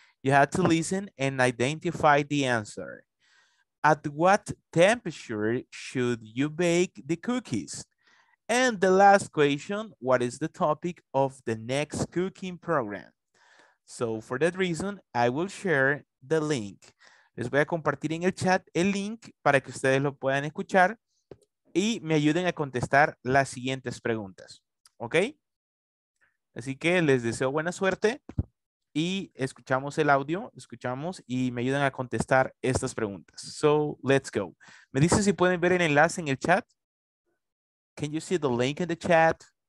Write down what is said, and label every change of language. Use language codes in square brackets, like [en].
[en] You had to listen and identify the answer. At what temperature should you bake the cookies? And the last question, what is the topic of the next cooking program? So for that reason, I will share the link. [es] Les voy a compartir en el chat el link para que ustedes lo puedan escuchar y me ayuden a contestar las siguientes preguntas, ¿ok? Así que les deseo buena suerte y escuchamos el audio, escuchamos y me ayudan a contestar estas preguntas. [en] So let's go. [es] Me dicen si pueden ver el enlace en el chat. [en] Can you see the link in the chat?